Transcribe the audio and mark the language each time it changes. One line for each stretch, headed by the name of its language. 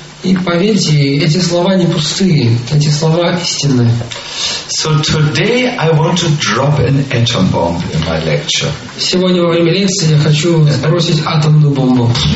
Russian: И поверьте, эти слова не пустые. Эти слова истинны.
English: So today I want to drop an atom bomb in my lecture.
Russian: Сегодня во время лекции я хочу сбросить атомную бомбу.